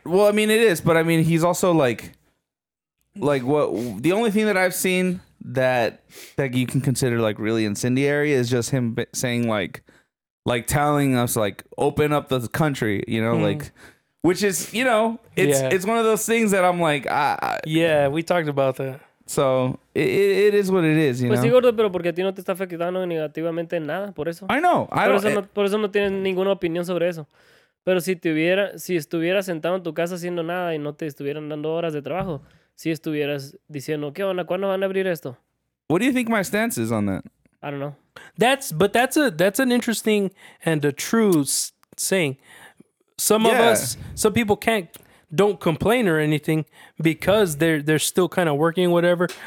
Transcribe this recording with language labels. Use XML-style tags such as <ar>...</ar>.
<en>Well, I mean it is, but I mean he's also like what the only thing that I've seen that you can consider like really incendiary is just him saying like telling us like open up the country, you know, like. Which is, you know, it's one of those things that I'm like, yeah, we talked about that. So, it is what it is, you know.</en> <es>Pues sí, gordo, pero porque a ti no te está afectando negativamente en nada, por eso.</es> <en>I know.</en> <es>Por eso no tienes ninguna opinión sobre eso. Pero si estuvieras sentado en tu casa haciendo nada y no te estuvieran dando horas de trabajo, si estuvieras diciendo, ¿qué onda? ¿Cuándo van a abrir esto?</es> <en>What do you think my stance is on that? I don't know. That's an interesting and a true saying. Some people don't complain or anything because they're still kind of working, whatever.</en>